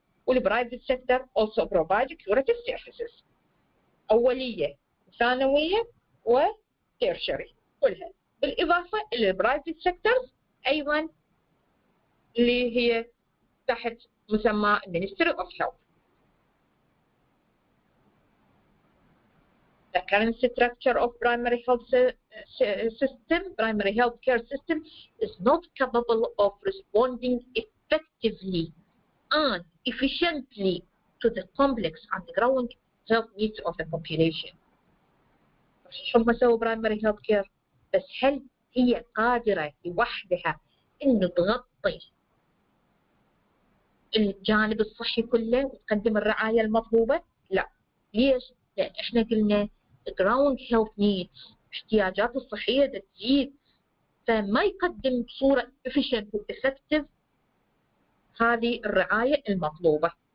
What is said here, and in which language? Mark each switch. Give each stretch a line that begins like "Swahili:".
Arabic: والبرايفت سيكتر
English: also provide curative services
Arabic: أولية ثانوية وtertiary كلها بالإضافة إلى البرايفت سيكتر أيضا اللي هي تحت مسمى Ministry of Health.
English: The current structure of primary health system, primary health care system, is not capable of responding effectively and efficiently to the complex and growing health needs of the population.
Arabic: شو ما سوى primary health care؟ بس هل هي قادرة لوحدها إن تغطي الجانب الصحي كله وتقدم الرعاية المطلوبة؟ لا. ليش؟ لأن إحنا قلنا
English: growing health needs
Arabic: احتياجات الصحية تزيد فما يقدم بصورة
English: efficient and effective
Arabic: هذه الرعاية المطلوبة.